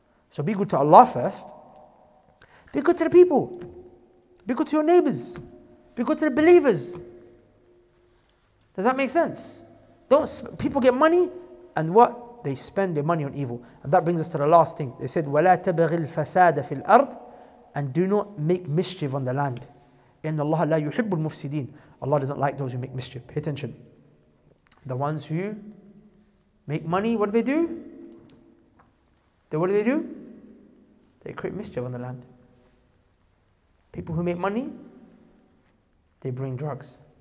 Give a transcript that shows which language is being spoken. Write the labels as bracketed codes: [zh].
[en] So be good to Allah first. Be good to the people. Be good to your neighbors. Be good to the believers. Does that make sense? People get money and what? They spend their money on evil. And that brings us to the last thing. They said, [ar] وَلَا تَبَغِي الْفَسَادَ فِي الْأَرْضِ. [en] And do not make mischief on the land. [ar] إِنَّ اللَّهَ لَا يُحِبُّ الْمُفْسِدِينَ. [en] Allah doesn't like those who make mischief. Pay attention. The ones who make money, what do they do? Then what do? They create mischief on the land. People who make money, they bring drugs.